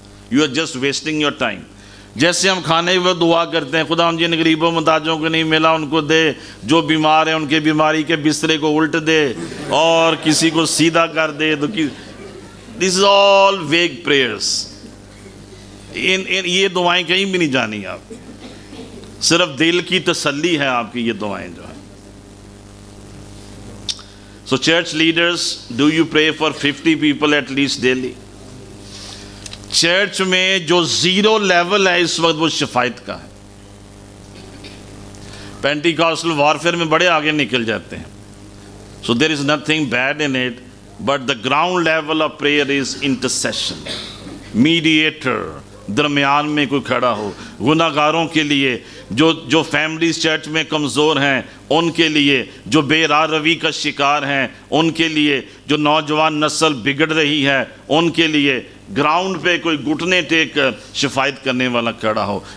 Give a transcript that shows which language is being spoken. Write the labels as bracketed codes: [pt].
[en] You are just wasting your time. [ur] جیسے ہم کھانے وقت دعا کرتے ہیں، خدا ان جن غریبوں محتاجوں کو نہیں ملا ان کو دے، جو بیمار ہیں ان کے بیماری کے بسترے کو الٹ دے اور کسی کو سیدھا کر دے، تو [en] This is all vague prayers. [ur] یہ دعائیں کہیں بھی نہیں جانی آپ، صرف دل کی تسلی ہے آپ کی یہ دعائیں جو. [en] So church leaders, do you pray for 50 people at least daily? [ur] Church میں جو zero level ہے اس وقت وہ شفاعت کا ہے. Pentecostal warfare میں بڑے آگے نکل جاتے ہیں. [en] So there is nothing bad in it, but the ground level of prayer is intercession. [ur] Mediator, درمیان میں کوئی کھڑا ہو، گناہگاروں کے لیے، جو فیملیز چرچ میں کمزور ہیں ان کے لیے، جو بے راہ روی کا شکار ہیں ان کے لیے، جو نوجوان نسل بگڑ رہی ہے ان کے لیے، گراؤنڈ پہ کوئی گھٹنے ٹیک کر شفاعت کرنے والا کھڑا ہو.